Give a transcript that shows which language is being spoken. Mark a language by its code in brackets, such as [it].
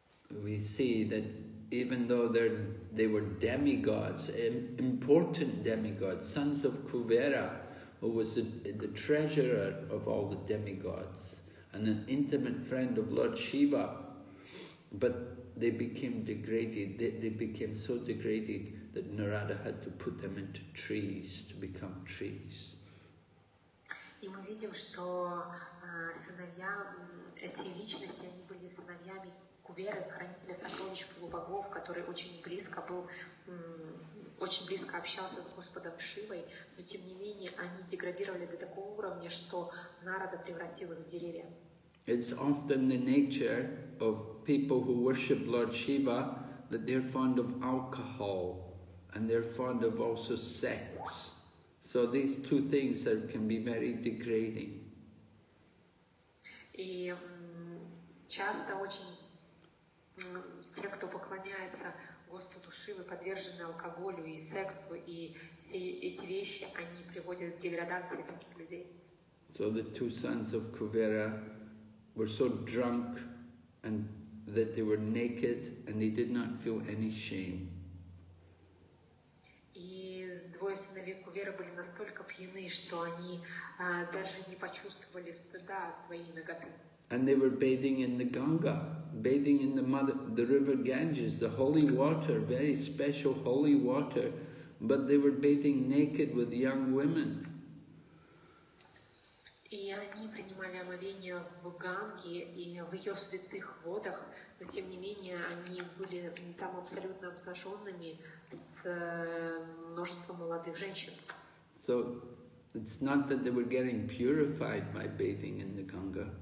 [en] We see that even though they were demigods, important demigods, sons of Kuvera, who was the treasurer of all the demigods and an intimate friend of Lord Shiva, but they became degraded, they became so degraded that Narada had to put them into trees to become trees. [ru] И мы видим, что сыновья, эти личности, они были сыновьями Куверы, хранителя сокровищ полубогов, который очень близко был, очень близко общался с Господом Шивой, но тем не менее они деградировали до такого уровня, что Нарада превратил их в деревья. [en] It's often the nature of people who worship Lord Shiva that they're fond of alcohol and they're fond of also sex. So these two things that can be very degrading. [ru] И часто очень те, кто поклоняется Господу Шиве, подвержены алкоголю и сексу, и все эти вещи, они приводят к деградации таких людей. [en] So the two sons of Kuvera were so drunk and that they were naked and they did not feel any shame. [ru] И двое сыновей Кувера были настолько пьяны, что они даже не почувствовали стыда от своей наготы. [en] And they were bathing in the Ganga, bathing in the river Ganges, the holy water, very special holy water, but they were bathing naked with young women. [ru] И они принимали омовение в Ганге и в ее святых водах, но тем не менее они были там абсолютно обнаженными с множеством молодых женщин. [en] So it's not that they were getting purified by bathing in the Ganga.